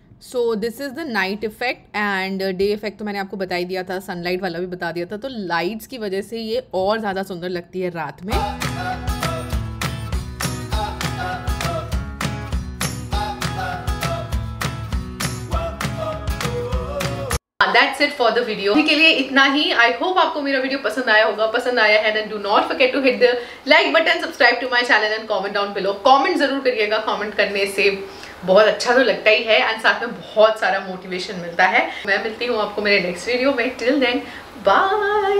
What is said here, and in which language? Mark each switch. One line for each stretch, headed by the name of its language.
English: so this is the night effect and day effect
Hindi: तो मैंने आपको बता ही दिया था, सनलाइट वाला भी बता दिया था, तो लाइट्स की वजह से ये और ज़्यादा सुंदर लगती है रात में।
English: That's it for the video.
Hindi: अभी के लिए इतना ही।
English: I hope
Hindi: आपको मेरा video पसंद आया होगा। पसंद आया है
English: then do not forget to hit the like button, subscribe to my channel and comment down below.
Hindi: Comment जरूर करिएगा, comment करने से बहुत अच्छा तो लगता ही है and साथ में बहुत सारा motivation मिलता है। मैं मिलती हूँ आपको मेरे next video में।
English: Till then, bye.